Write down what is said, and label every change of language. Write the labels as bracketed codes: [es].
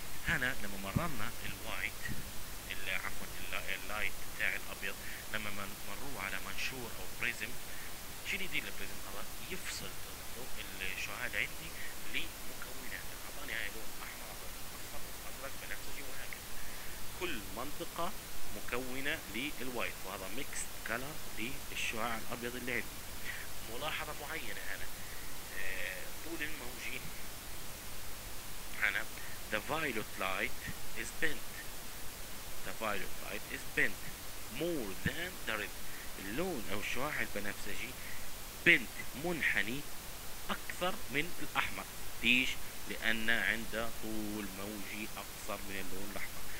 [ar] هنا لما مررنا الوايت عفوا اللايت بتاع الابيض لما مروه على منشور او بريزم شنو يدير البريزم هذا يفصل الشعاع العلمي لمكونات اعطاني هاي لون احمر اصفر اصفر بنفسجي وهكذا. كل منطقة مكونة للوايت وهذا ميكس كلر للشعاع الابيض اللي عندي. ملاحظة معينة هنا طول الموجين هنا [en] the violet light is bent the violet light is bent more than the red [ar] الشعاع البنفسجي بنت منحني اكثر من الاحمر. ليش؟ لان عندها طول موجي اقصر من اللون الاحمر.